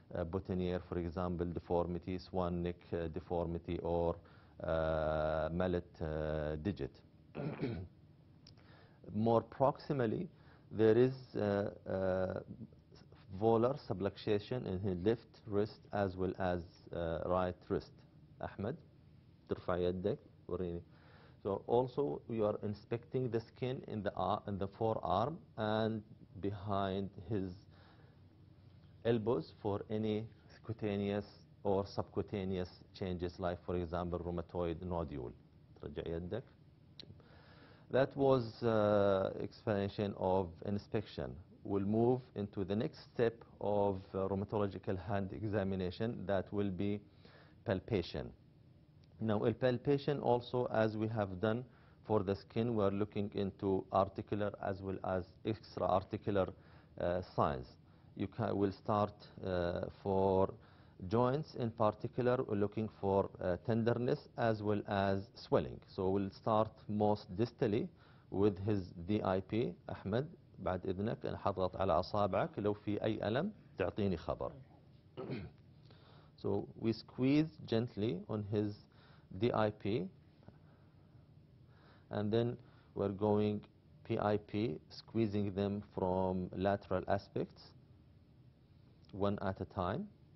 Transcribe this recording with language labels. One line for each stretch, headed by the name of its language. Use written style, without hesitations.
English: boutonniere, for example, deformity, swan neck deformity, or mallet digit. More proximally, there is volar subluxation in his left wrist as well as right wrist.
Arabic: Ahmed, ترفع يدك وريني.
English: So also we are inspecting the skin in the forearm and behind his elbows for any cutaneous or subcutaneous changes, like for example rheumatoid nodule.
Arabic: ترجع يدك.
English: That was explanation of inspection. We'll move into the next step of rheumatological hand examination, that will be palpation. Now, in palpation also, as we have done for the skin, we are looking into articular as well as extra-articular signs. You can, we'll start for joints in particular, we're looking for tenderness as well as swelling. So we'll start most distally with his DIP, Ahmed,
Arabic: بعد إذنك أنا حضغط على أصابعك، لو في أي ألم تعطيني خبر.
English: So we squeeze gently on his DIP and then we're going PIP, squeezing them from lateral aspects one at a time.